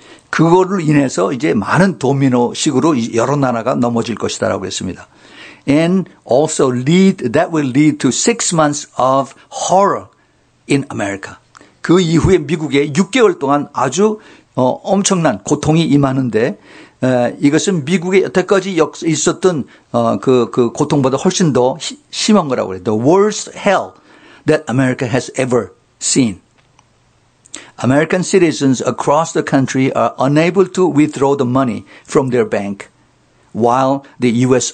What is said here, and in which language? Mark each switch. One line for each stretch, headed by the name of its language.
Korean: 그거를 인해서 이제 많은 도미노식으로 여러 나라가 넘어질 것이다라고 했습니다.
English: And also that will lead to 6 months of horror in America.
Korean: 그 이후에 미국에 6개월 동안 아주 엄청난 고통이 임하는데 이것은 미국의 여태까지 있었던 그 고통보다 훨씬 더 심한 거라고 해요.
English: The worst hell that America has ever seen. American citizens across the country are unable to withdraw the money from their bank while the U.S.